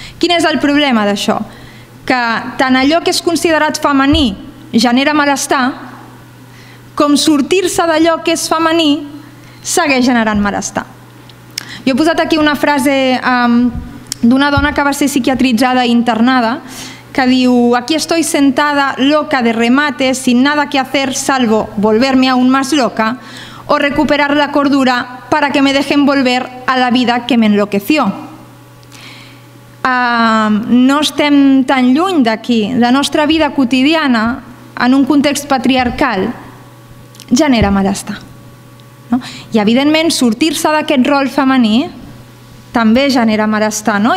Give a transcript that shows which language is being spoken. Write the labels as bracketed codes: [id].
[ca] Quin és el problema d'això? Que tant allò que és considerat femení genera malestar, com sortir-se d'allò que és femení segueix generant malestar. Jo he posat aquí una frase d'una dona que va ser psiquiatritzada i internada, que diu: [es] aquí estoy sentada loca de remate, sin nada que hacer salvo volverme aún más loca o recuperar la cordura para que me dejen volver a la vida que me enloqueció. [ca] No estem tan lluny d'aquí. La nostra vida quotidiana en un context patriarcal genera malestar. No? I evidentment sortir-se d'aquest rol femení també genera malestar, no?